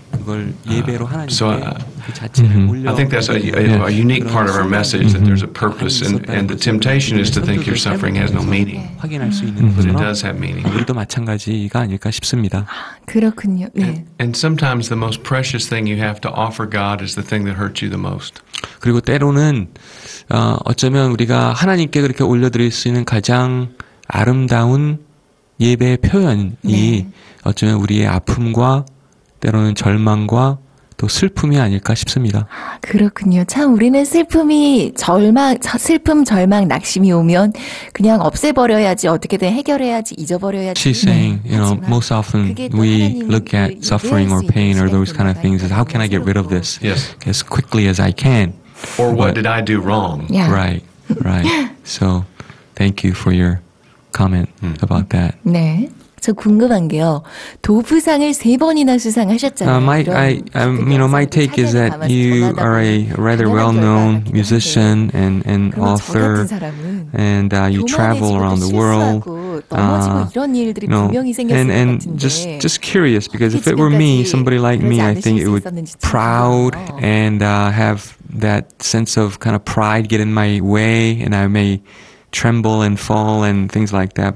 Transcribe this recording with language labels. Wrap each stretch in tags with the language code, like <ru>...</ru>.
<en>I think that's a unique part of our message, that there's a purpose. And the temptation is to think your suffering has no meaning. But it does have meaning.</en> <ko>우리도 마찬가지가 아닐까 싶습니다. 그렇군요. 네.</ko> <en>And sometimes the most precious thing you have to offer God is the thing that hurts you the most.</en> <ko>그리고 때로는 어쩌면 우리가 하나님께 그렇게 올려드릴 수 있는 가장 아름다운 예배의 표현이 어쩌면 우리의 아픔과 때로는 절망과 또 슬픔이 아닐까 싶습니다. 그렇군요. 참 우리는 슬픔이 절망, 슬픔, 절망, 낙심이 오면 그냥 없애버려야지 어떻게든 해결해야지 잊어버려야지.</ko> <en>She's saying, you know, most often we look at suffering or pain or those kind of things as how can I get rid of this as quickly as I can. Or what did I do wrong? Yeah. Right, right. So thank you for your comment about that.</en> <ko>네. 저 궁금한 게요. 도프상을 세 번이나 수상하셨잖아요.</ko> <en>My take is that you are a rather well-known musician and author, and you travel around the world. And just curious, because if it were me, somebody like me, I think it would proud and have that sense of kind of pride get in my way, and I may tremble and fall and things like that.</en>